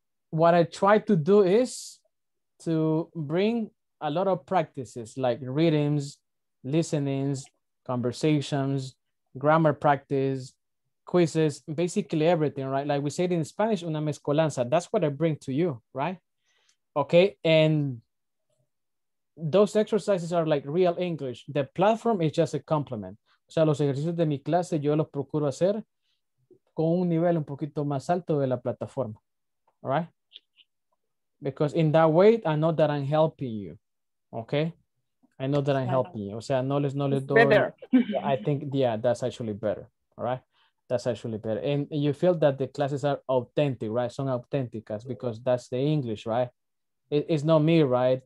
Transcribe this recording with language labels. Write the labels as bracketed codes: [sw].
[en] What I try to do is to bring a lot of practices like readings, listenings, conversations, grammar practice, quizzes, basically everything, right? Like we said in Spanish, [es] una mezcolanza, [en] that's what I bring to you, right? Okay, and those exercises are like real English. The platform is just a complement. [es] O sea, los ejercicios de mi clase, yo los procuro hacer con un nivel un poquito más alto de la plataforma, [en] all right? Because in that way, I know that I'm helping you, okay? I know that I'm helping you. [es] O sea, no les doy. [en] Better. I think, yeah, that's actually better, all right? That's actually better. And you feel that the classes are authentic, right? [es] Son auténticas, [en] because that's the English, right? It's not me, right?